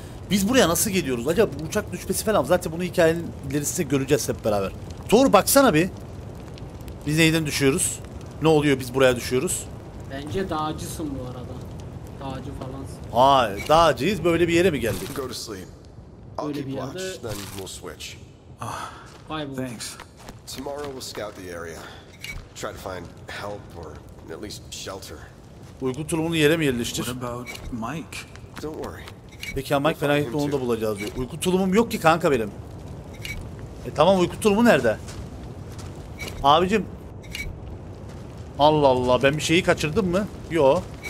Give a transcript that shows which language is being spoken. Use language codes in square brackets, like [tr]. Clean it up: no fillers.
[tr] Biz buraya nasıl geliyoruz? Acaba uçak düşmesi falan mı? Zaten bunu hikayenin ilerisinde göreceğiz hep beraber. Thor baksana bir. Biz neyden düşüyoruz? Ne oluyor, biz buraya düşüyoruz? Bence dağcısın bu arada. Dağcı falansın. Hayır, dağcıyız, böyle bir yere mi geldik? [en] Go to sleep. I'll keep watch, then we'll switch. Thanks. Tomorrow we'll scout the area. Try to find help or at least shelter. [tr] Uygun tulumunu yere mi yerleştir? [en] What about Mike? Don't worry. [tr] Peki ya Mike, fenayet onu da bulacağız diyor. Uyku tulumum yok ki kanka benim. Tamam, uyku tulumu nerede? Abicim. Allah Allah, ben bir şeyi kaçırdım mı? Yok.